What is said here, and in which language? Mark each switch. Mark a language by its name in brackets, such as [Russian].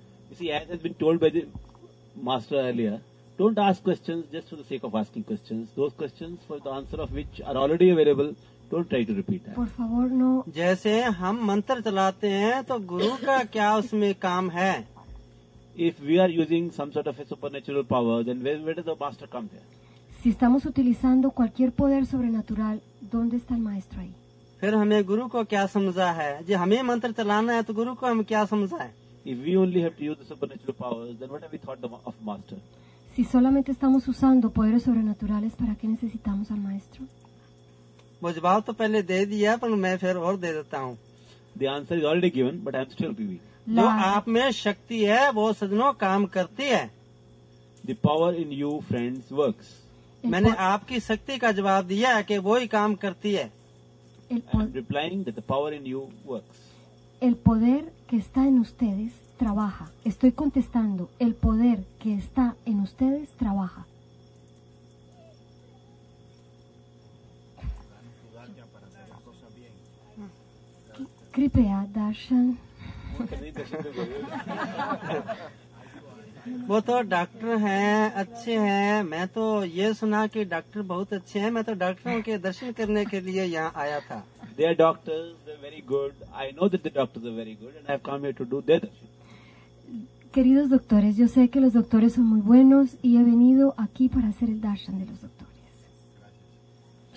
[English] You see, as has been told by the master earlier, don't ask questions just for the sake of asking questions. Those questions for the answer of which are already available, don't try to repeat that. [Spanish] Por favor, no. [Hindi] जैसे हम मंत्र चलाते हैं तो गुरु का क्या उसमें काम है? [English] If we are using some sort of a supernatural power, then where does the master come there? [Spanish] Si estamos utilizando cualquier poder sobrenatural, ¿dónde está el maestro ahí? [Hindi] फिर हमें गुरु को क्या समझा है? जब हमें मंत्र चलाना है तो गुरु को हम क्या समझा है? [English] If we only have to use the supernatural powers, then what have we thought of master? [Spanish] Si solamente estamos usando poderes sobrenaturales, ¿para qué necesitamos al maestro? [Hindi] वो जवाब तो पहले दे दिया, पर मैं फिर और दे देता हूँ. [English] The answer is already given, but I'm still giving. [Hindi] जो आप में शक्ति है वो सजनों काम करती है. [English] The power in you, friends, works. [Hindi] मैंने आपकी शक्ति का जवाब दिया है कि वो ही काम करती है. [English] I'm replying that the power in you works. [Spanish] El poder que está en ustedes trabaja. Estoy contestando. El poder que está en ustedes trabaja. [Hindi] Kripya darshan. वो तो डॉक्टर हैं, अच्छे हैं. मैं तो ये सुना कि डॉक्टर बहुत अच्छे हैं. मैं तो डॉक्टरों के दर्शन करने के लिए यहाँ आया था. [English] They are doctors, they're very good. I know that the doctors are very good and I have come here to do their darshan. [Spanish] Queridos doctores, yo sé que los doctores son muy buenos y he venido aquí para hacer el darshan de los doctores.